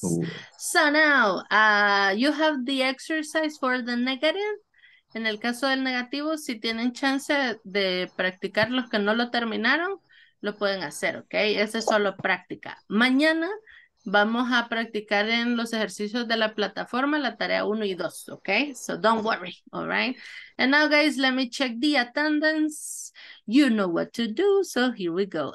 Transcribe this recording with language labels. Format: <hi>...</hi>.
<en>So now, you have the exercise for the negative.</en> <es>En el caso del negativo, si tienen chance de practicar los que no lo terminaron, lo pueden hacer, ¿ok? Esa es solo práctica. Mañana vamos a practicar en los ejercicios de la plataforma la tarea 1 y 2, ¿ok?</es> <en>So don't worry, all right? And now, guys, let me check the attendance. You know what to do, so here we go.</en>